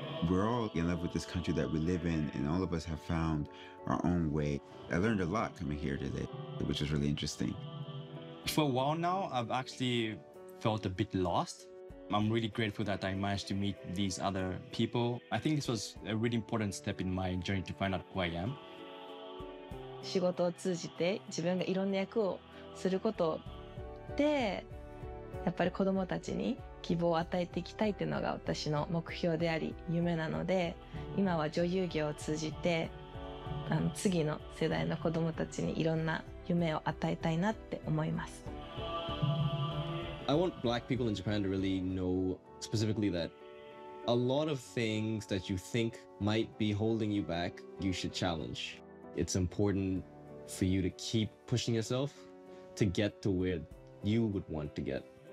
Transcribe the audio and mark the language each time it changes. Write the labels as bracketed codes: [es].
[en] We're all in love with this country that we live in, and all of us have found our own way. I learned a lot coming here today, which is really interesting. For a while now, I've actually felt a bit lost. I'm really grateful that I managed to meet these other people. I think this was a really important step in my journey to find out who I am. [ja] 仕事を通じて自分がいろんな役をすることでやっぱり子どもたちに希望を与えていきたいというのが私の目標であり夢なので今は女優業を通じて次の世代の子どもたちにいろんな夢を与えたいなって思います。 [en] I want black people in Japan to really know specifically that a lot of things that you think might be holding you back, you should challenge. It's important for you to keep pushing yourself to get to where you would want to get.